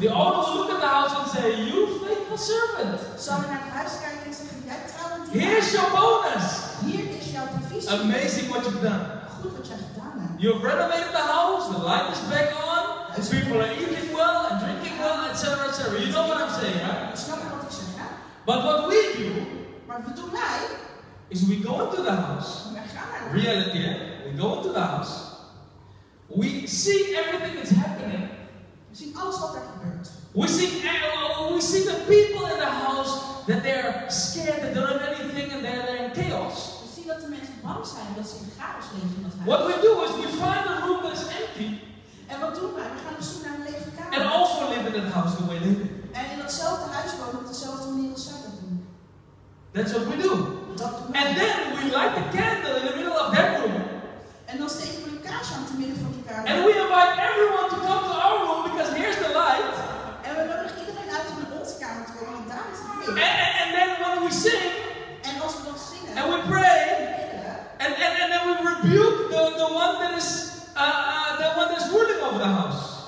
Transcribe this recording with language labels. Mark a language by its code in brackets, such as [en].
[en] the owner will look at the house and say, you faithful servant. [nl] Zal hij naar het huis kijken en zeggen, jij trouwend. [en] Here's your bonus. [nl] Hier is jouw provisie. [en] Amazing what you've done. [nl] Goed wat jij gedaan hebt. [en] You've renovated the house, the light is back on, people are eating well and drinking well, etc. etc. You know what I'm saying, huh? [nl] Snap je wat ik zeg, hè? [en] But what we do, [nl] maar wat doen wij, [en] is we go into the house. [nl] Wij gaan naar de [en] reality, hè? We go into the house. We see everything that's happening. [nl] We zien alles wat er gebeurt. [en] We see the people in the house that they're scared that they don't have anything and they're in chaos. [nl] We zien dat de mensen bang zijn dat ze in chaos leven in dat huis. [en] What we do is we find a room that's empty. [nl] En wat doen wij? We gaan op zoek naar een lege kamer. [en] And also live in that house the way they live. [nl] En in datzelfde huis wonen op dezelfde manier als zij dat doen. [en] That's what we do. And then we light the candle in the middle of that room. [nl] En dan steken we een kaars aan te midden van die kamer. [en] And we invite everyone to come to our room because here's the light. [nl] En we nodigen iedereen uit om naar onze kamer te komen, want daar is het licht. [en] And then when we sing. [nl] En als we dan zingen. [en] And we pray. And then we rebuke the one that is the one that's ruling over the house.